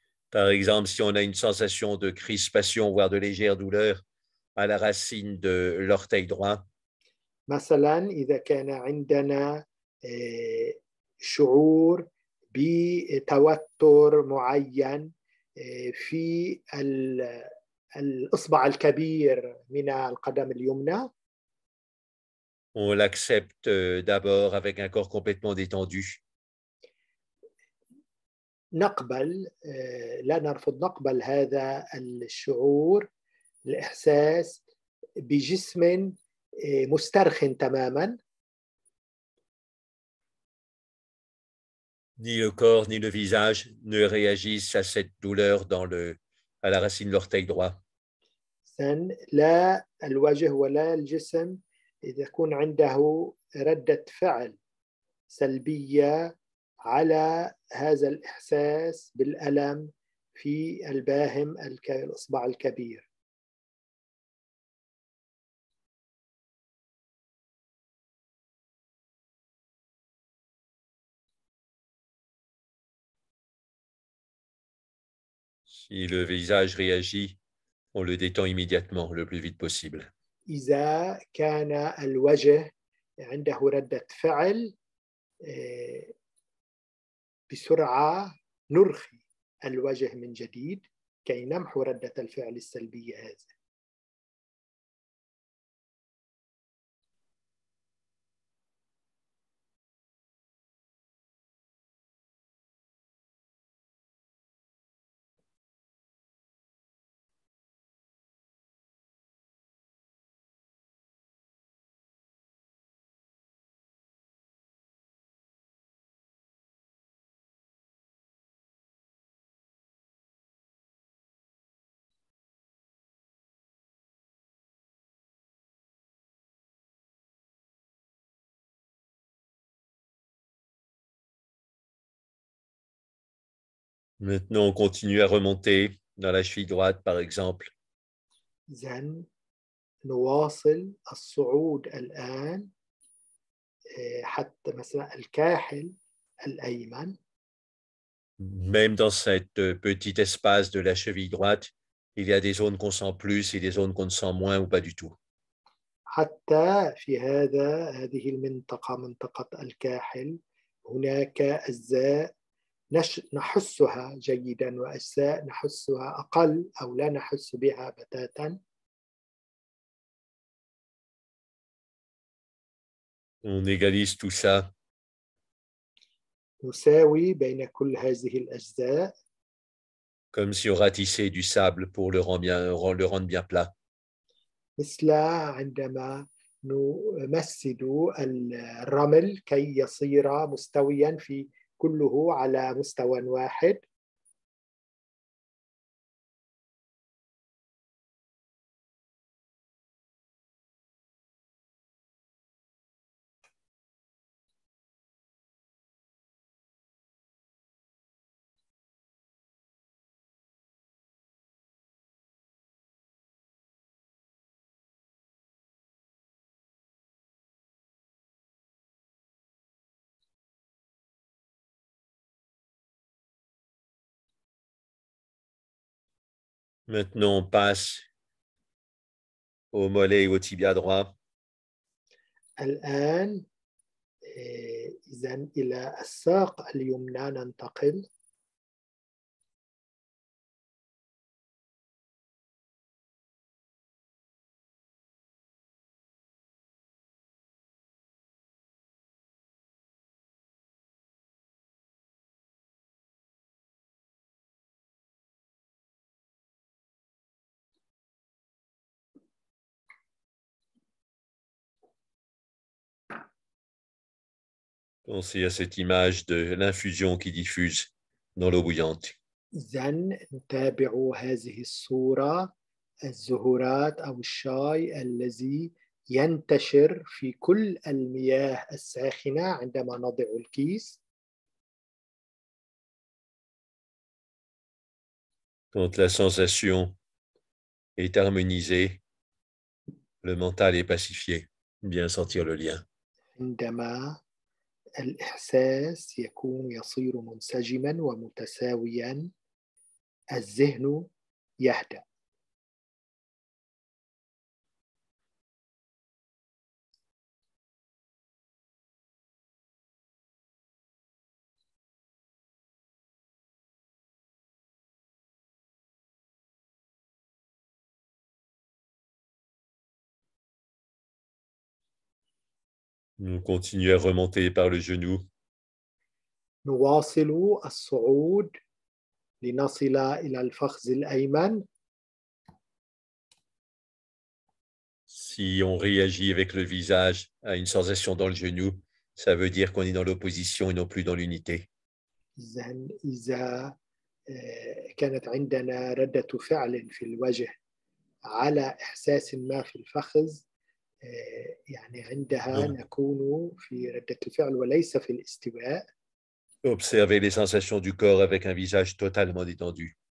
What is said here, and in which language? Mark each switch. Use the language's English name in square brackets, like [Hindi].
[French] Par exemple, si on a une sensation de crispation, voire de légère douleur à la racine de l'orteil droit. [Arabic] مثلا إذا كان عندنا شعور بتوتر معين في الإصبع الكبير من القدم اليمنى. [French] On l'accepte d'abord avec un corps complètement détendu. [Arabic] نقبل لا نرفض نقبل هذا الشعور الإحساس بجسم مسترخ تماما. [French] Ni le corps ni le visage ne réagissent à cette douleur dans à la racine de l'orteil droit. [Arabic] زين لا الوجه ولا الجسم إذا يكون عنده ردة فعل سلبية على هذا الإحساس بالألم في الباهم الإصبع الكبير. [French] Si le visage réagit, on le détend immédiatement, le plus vite possible. [Arabic] إذا كان الوجه عنده ردة فعل بسرعة نرخي الوجه من جديد كي نمحو ردة الفعل السلبية هذه. [French] Maintenant, on continue à remonter dans la cheville droite, par exemple. [Arabic] زين نواصل الصعود الآن حتى مثلا الكاحل الأيمن. [French] Même dans cette petite espace de la cheville droite, il y a des zones qu'on sent plus et des zones qu'on ne sent moins ou pas du tout. [Arabic] حتى في هذه المنطقة منطقة الكاحل هناك أجزاء نحسها جيدا وأجزاء نحسها أقل أو لا نحس بها بتاتا. [French] On égalise tout ça. [Arabic] نساوي بين كل هذه الأجزاء. [French] Comme si on ratissait du sable pour le rendre bien plat. [Arabic] مثل عندما نمسد الرمل كي يصير مستويا في كله على مستوى واحد. [French] Maintenant, on passe au mollet et au tibia droit. [Arabic] الآن إذن إلى الساق اليمنى ننتقل. [French] Pensez à cette image de l'infusion qui diffuse dans l'eau bouillante. [Arabic] إذن تابعوا هذه الصورة الزهورات أو الشاي الذي ينتشر في كل المياه الساخنة عندما نضع الكيس. [French] Quand la sensation est harmonisée, le mental est pacifié. Bien sentir le lien. [Arabic] عندما الإحساس يكون يصير منسجما ومتساويا الذهن يهدأ. [French] Nous continuons à remonter par le genou. Nous [Arabic] واصلوا الصعود لنصل إلى الفخذ الأيمن. [French] Si on réagit avec le visage à une sensation dans le genou, ça veut dire qu'on est dans l'opposition et non plus dans l'unité. [Arabic] إذا كانت عندنا ردة فعل في الوجه على إحساس ما في الفخذ. يعني عندها نكون في ردة الفعل وليس في الاستواء. [French] Observez les sensations du corps avec un visage totalement détendu.